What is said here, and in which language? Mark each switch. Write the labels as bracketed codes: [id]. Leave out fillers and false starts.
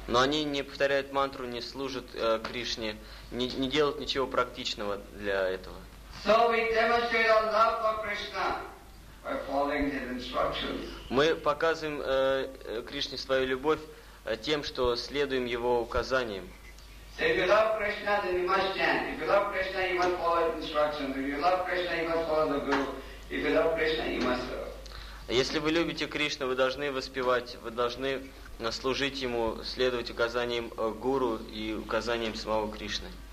[ru] Но они не повторяют мантру, не служат Кришне, не делают ничего практичного для этого. [en] So we demonstrate our love for Krishna by following his instructions. [ru] Мы показываем Кришне свою любовь тем, что следуем его указаниям. [en] So if you love Krishna, then you must chant. If you love Krishna, you must follow his instructions. If you love Krishna, you must follow the Guru. If you love Krishna, you must serve. [ru] Если вы любите Кришну, вы должны воспевать, вы должны служить Ему, следовать указаниям Гуру и указаниям самого Кришны.